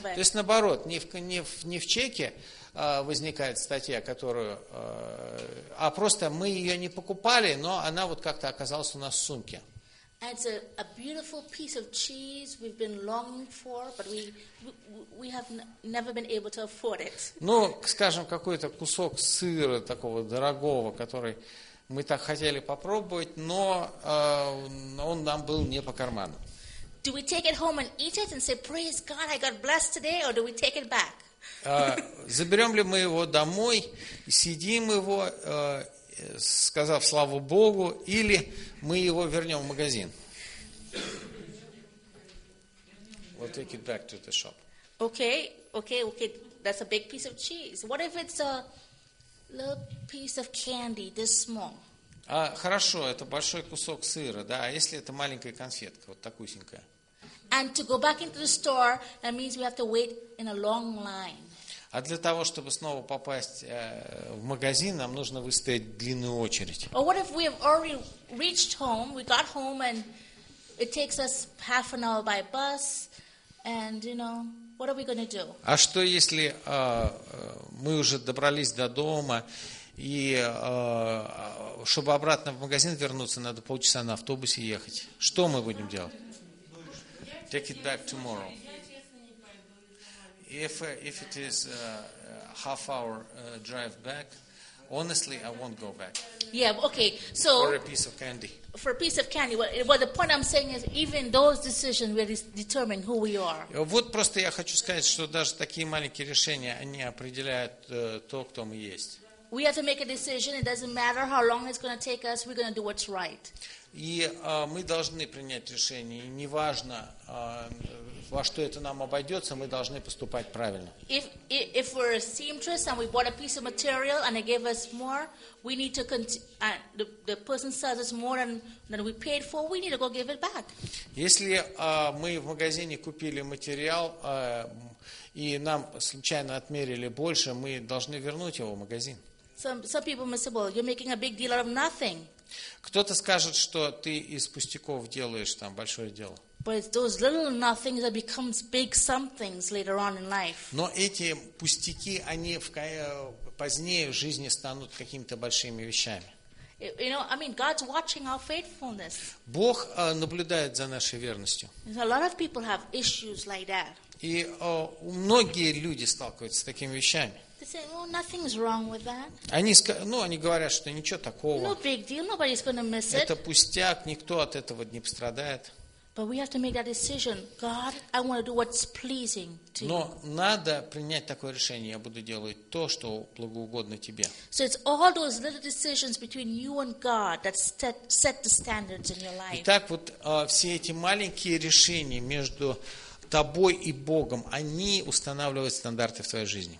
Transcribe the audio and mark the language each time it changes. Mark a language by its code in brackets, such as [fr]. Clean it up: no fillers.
[ru] То есть наоборот, не в чеке возникает статья, которую, а просто мы ее не покупали, но она вот как-то оказалась у нас в сумке. [en] It's a beautiful piece of cheese we've been longing for, but we have never been able to afford it. [ru] Ну, скажем, какой-то кусок сыра такого дорогого, который мы так хотели попробовать, но он нам был не по карману. [en] Do we take it home and eat it and say, praise God, I got blessed today, or do we take it back? [ru] Заберем ли мы его домой, съедим его, сказав слава Богу, или мы его вернем в магазин? [en] We'll take it back to the shop. Okay, that's a big piece of cheese. What if it's a little piece of candy this small? [ru] Хорошо, это большой кусок сыра, да, а если это маленькая конфетка, вот такусенькая? [en] And to go back into the store, that means we have to wait in a long line. [ru] А для того, чтобы снова попасть в магазин, нам нужно выстоять длинную очередь. [en] Or what if we have already reached home, we got home, and it takes us half an hour by bus, and, you know, what are we going to do? [ru] А что, если мы уже добрались до дома, и чтобы обратно в магазин вернуться, надо полчаса на автобусе ехать? Что мы будем делать? [en] Take it back tomorrow. If it is a half hour drive back, honestly, I won't go back. Yeah, okay. So for a piece of candy. For a piece of candy. Well, the point I'm saying is, even those decisions will determine who we are. [ru] Вот просто я хочу сказать, что даже такие маленькие решения, они определяют то, кто мы есть. [en] We have to make a decision. It doesn't matter how long it's going to take us. We're going to do what's right. [ru] И мы должны принять решение, и неважно, во что это нам обойдется, мы должны поступать правильно. [en] If we're a seamstress and we bought a piece of material and they gave us more, we need to the person sells us more than we paid for, we need to go give it back. [ru] Если мы в магазине купили материал, и нам случайно отмерили больше, мы должны вернуть его в магазин. [en] Some people may say, well, you're making a big deal out of nothing. [ru] Кто-то скажет, что ты из пустяков делаешь там большое дело. [en] But it's those little nothings that become big somethings later on in life. [ru] Но эти пустяки, они позднее в жизни станут какими-то большими вещами. [en] You know, I mean, God's watching our faithfulness. [ru] Бог наблюдает за нашей верностью. [en] A lot of people have issues like that. [ru] И многие люди сталкиваются с такими вещами. [en] They say, well, nothing's wrong with that. [ru] Они говорят, что ничего такого. [en] No big deal, nobody's going to miss [ru] it. Это пустяк, никто от этого не пострадает. [en] But we have to make that decision. God, I want to do what's pleasing to you. [ru] Но надо принять такое решение. Я буду делать то, что благоугодно тебе. [en] So it's all those little decisions between you and God that set the standards in your life. [ru] Итак, вот все эти маленькие решения между тобой и Богом, они устанавливают стандарты в твоей жизни.